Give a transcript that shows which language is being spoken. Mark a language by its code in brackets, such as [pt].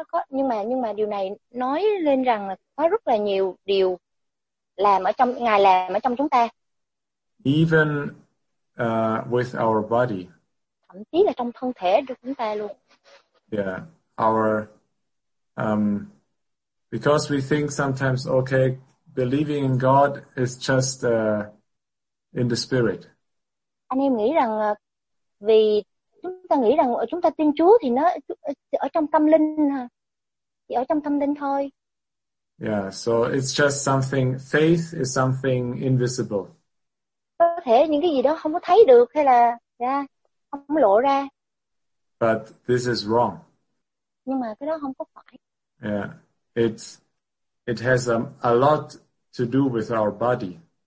[vi] Nhưng mà điều này nói lên rằng là có rất là nhiều điều làm ở trong Ngài, làm ở trong chúng ta. [en] Even with our body. [vi] Thậm chí là trong thân thể của chúng ta luôn. [en] Yeah, our because we think sometimes, okay, believing in God is just in the spirit. [vi] Anh em nghĩ rằng vì chúng ta nghĩ rằng chúng ta tin Chúa thì nó ở trong tâm linh, chỉ ở trong tâm linh thôi. [en] Yeah, so it's just something, faith is something invisible. [vi] Có thể những cái gì đó không có thấy được hay là không lộ ra. [en] But this is wrong. [vi] Nhưng mà cái đó không có phải. [en] Yeah, it has a lot to do with our body.